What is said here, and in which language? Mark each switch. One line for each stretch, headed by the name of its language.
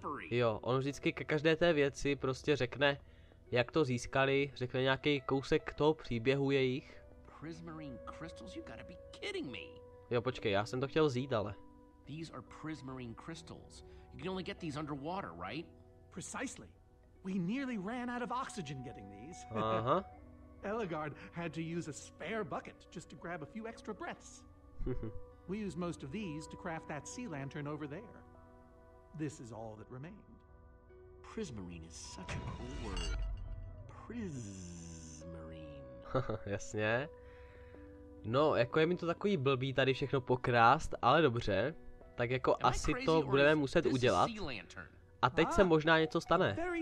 Czech: Jo, on vždycky ke každé té věci prostě řekne, jak to získali, řekne nějaký kousek toho příběhu jejich.
English: Prismarine crystals, you gotta be kidding me.
Czech: Jo, počkej, já jsem to chtěl vzít, ale.
English: These are prismarine crystals. You can only get these underwater, right? Precisely. We nearly ran out of oxygen getting these. Aha. Elagard had to use a spare bucket just to grab a few extra breaths. We use most of these to craft that sea lantern over there. This is all that remained. Prismarine is such a cool word. Prismarine.
Czech: Jasně. No, jako je mi to takový blbý tady všechno pokrást, ale dobře. Tak jako asi to budeme muset udělat. A teď se možná něco stane.